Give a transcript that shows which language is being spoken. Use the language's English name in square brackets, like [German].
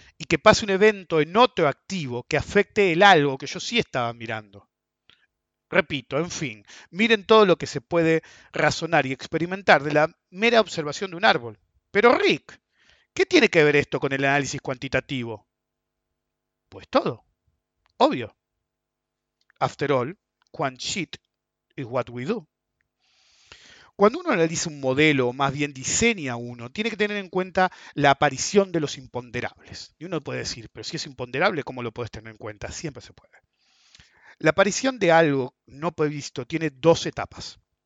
[Spanish] Y que pase un evento en otro activo que afecte el algo que yo sí estaba mirando. Repito, en fin, miren todo lo que se puede razonar y experimentar de la mera observación de un árbol. Pero Rick, ¿qué tiene que ver esto con el análisis cuantitativo? Pues todo. Obvio. [English] After all, quant shit is what we do. [Spanish] Cuando uno analiza un modelo, o más bien diseña uno, tiene que tener en cuenta la aparición de los imponderables. Y uno puede decir, pero si es imponderable, ¿cómo lo puedes tener en cuenta? Siempre se puede. La aparición de algo no previsto tiene dos etapas.